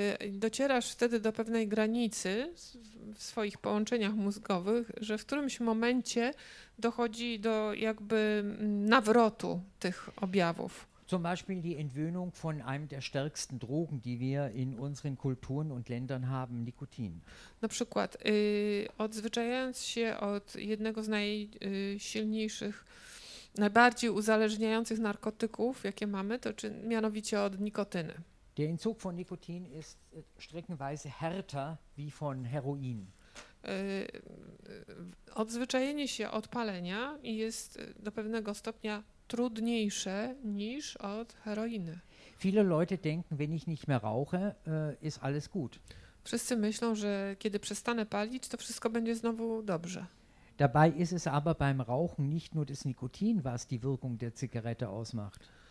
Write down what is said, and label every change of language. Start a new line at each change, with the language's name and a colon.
Polish: docierasz wtedy do pewnej granicy w swoich połączeniach mózgowych, że w którymś momencie dochodzi do jakby nawrotu tych objawów.
German: Zum Beispiel die Entwöhnung von einem der stärksten Drogen, die wir in unseren Kulturen und Ländern haben, Nikotin.
Polish: Na przykład, odzwyczajając się od jednego z najsilniejszych, najbardziej uzależniających narkotyków, jakie mamy, to czy mianowicie od nikotyny.
German: Der Entzug von Nikotin ist streckenweise härter wie von Heroin.
Polish: Odzwyczajenie się od palenia jest do pewnego stopnia trudniejsze niż od heroiny.
German: Viele Leute denken, wenn ich nicht mehr rauche, ist alles gut.
Polish: Wszyscy myślą, że kiedy przestanę palić, to wszystko będzie znowu dobrze.
German: Dabei ist es aber beim Rauchen nicht nur das Nikotin, was die Wirkung der Zigarette ausmacht.